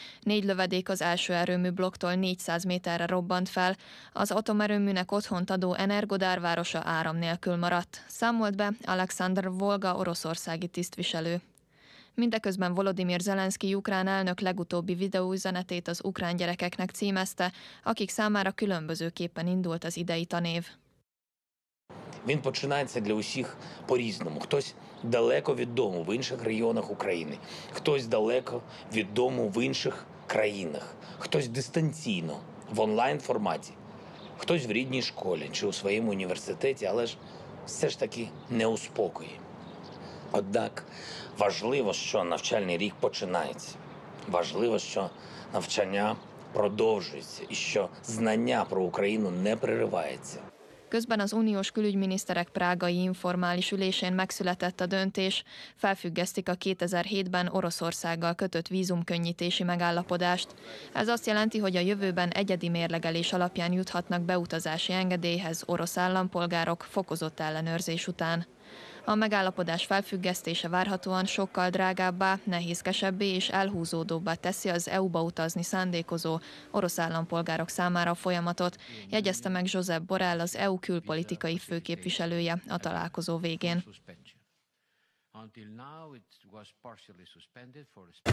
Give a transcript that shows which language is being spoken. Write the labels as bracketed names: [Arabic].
[Hungarian] 4 lövedék az első erőmű blokktól 400 méterre robbant fel, az atomerőműnek otthont adó Energodár városa áram nélkül maradt, számolt be Alekszandr Volga oroszországi tisztviselő. Mindeközben Volodymyr Zelenszky ukrán elnök legutóbbi videóüzenetét az ukrán gyerekeknek címezte, akik számára különbözőképpen indult az idei tanév. [Ukrainian] Він починається для усіх по-різному. Хтось далеко від дому в інших районах України, хтось далеко від дому в інших країнах, хтось дистанційно в онлайн-форматі, хтось в рідній школі чи у своєму університеті, але ж все ж таки не успокоює. Однак важливо, що навчальний рік починається. Важливо, що навчання продовжується і що знання про Україну не переривається. [Hungarian] Közben az uniós külügyminiszterek prágai informális ülésén megszületett a döntés, felfüggesztik a 2007-ben Oroszországgal kötött vízumkönnyítési megállapodást. Ez azt jelenti, hogy a jövőben egyedi mérlegelés alapján juthatnak beutazási engedélyhez orosz állampolgárok fokozott ellenőrzés után. A megállapodás felfüggesztése várhatóan sokkal drágábbá, nehézkesebbé és elhúzódóbbá teszi az EU-ba utazni szándékozó orosz állampolgárok számára a folyamatot, jegyezte meg Josep Borrell, az EU külpolitikai főképviselője a találkozó végén. [English] Until now it was partially suspended for